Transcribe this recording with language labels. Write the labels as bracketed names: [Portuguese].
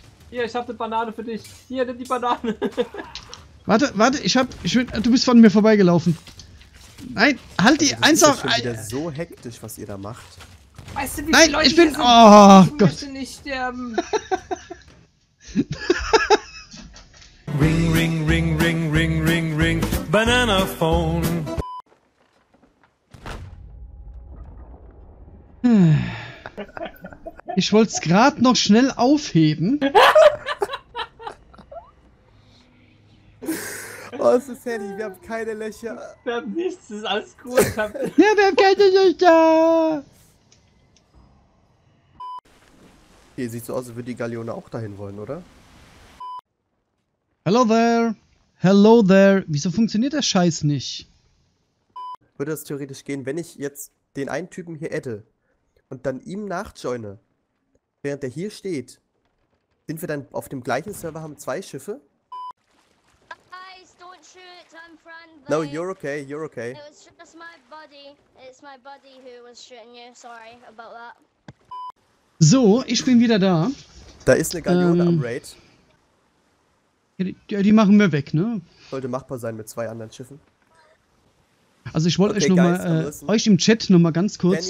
[German] Hier, ich hab eine Banane für dich. Hier, nimm die Banane. Warte. Du bist von mir vorbeigelaufen. Nein, halt also, die. Eins auf. Das ist wieder so hektisch, was ihr da macht. Weißt du, wie nein, viele Leute ich bin. Sind? Oh ich Gott. Ich möchte nicht sterben. [English] Ring, ring, ring, ring, ring, ring, ring, Banana Phone. [German] Ich wollte es gerade noch schnell aufheben. Oh, es ist herrlich, wir haben keine Löcher. Wir haben nichts, das ist alles cool. Ja, wir haben keine Löcher. Okay, sieht so aus, als würde die Galeone auch dahin wollen, oder? [English] Hello there. [German] Wieso funktioniert der Scheiß nicht? Würde das theoretisch gehen, wenn ich jetzt den einen Typen hier adde und dann ihm nachjoine, während der hier steht, sind wir dann auf dem gleichen Server, haben zwei Schiffe? [English] Guys, don't shoot, I'm friend. No, you're okay. It was just my buddy. It's my buddy who was shooting you. Sorry about that. [German] So, ich bin wieder da. Da ist eine Galeone am Raid. Die machen wir weg, ne? Sollte machbar sein mit zwei anderen Schiffen. Also ich wollte euch im Chat nochmal ganz kurz...